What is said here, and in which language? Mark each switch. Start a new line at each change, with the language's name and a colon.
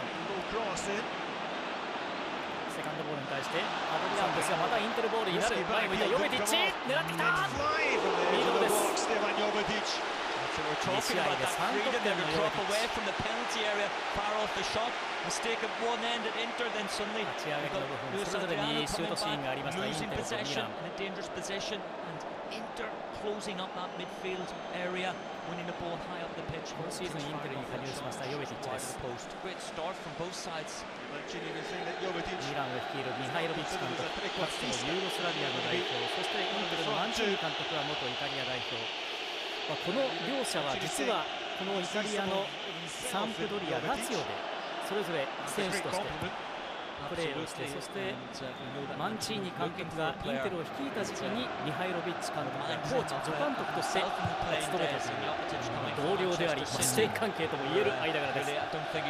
Japanese: セカンドボールに対してアドリアヌですが、またインテルボールになる。前向いたヨベティッチ、狙ってきた。いいボールです。 2試合で3得点のヨベティッチ。立ち上がりの部分、それぞれにシュートシーンがありました。インテルとミラン、
English: インテル closing up that midfield area, winning the ball high up the pitch.
Japanese: このシーズンインテルに加入しましたヨベティッチです。
English: great start from both sides.
Japanese: ミランを率いるミハイロビッチ監督、かつてのユーゴスラビアの代表、そしてインテルのマンチュー監督は元イタリア代表。まあ、この両者は実はこのイタリアのサンプドリア、ラツィオでそれぞれ選手としてプレーをして、そしてマンチーニ監督がインテルを率いた時期にミハイロビッチ監督がコーチ、助監督として務めたという、同僚であり師弟関係とも言える間柄です。